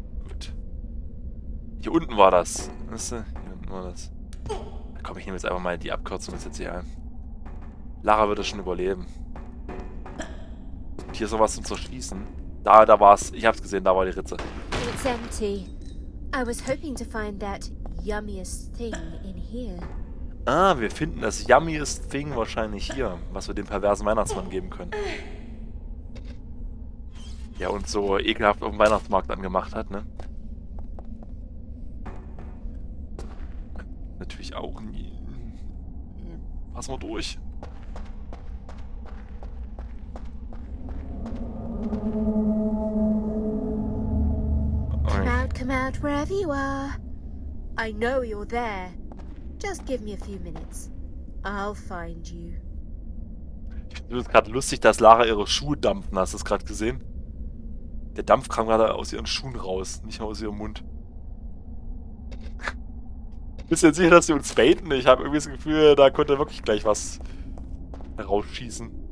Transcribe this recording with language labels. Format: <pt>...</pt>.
<de>Gut. Hier unten war das. Weißt du, hier unten war das. Komm, ich nehme jetzt einfach mal die Abkürzung, das ist jetzt hier. Lara wird das schon überleben. Und hier ist noch was zum Zerschießen. Da war's. Ich hab's gesehen, da war die Ritze.</de> <en>It's empty. I was hoping to find that yummiest thing in here.</en> <de>Ah, wir finden das</de> <en>yummiest thing</en> <de>wahrscheinlich hier, was wir dem perversen Weihnachtsmann geben können. Ja, und so ekelhaft auf dem Weihnachtsmarkt angemacht hat, ne? Natürlich auch nie. Pass mal durch.</de> <en>Come out, come out, wherever you are. I know you're there. Just give me a few minutes. I'll find you.</en> <de>Ich finde es gerade lustig, dass Lara ihre Schuhe dampfen. Hast du es gerade gesehen? Der Dampf kam gerade aus ihren Schuhen raus, nicht aus ihrem Mund. Bist du jetzt sicher, dass sie uns baiten? Ich habe irgendwie das Gefühl, da könnte wirklich gleich was herausschießen.</de>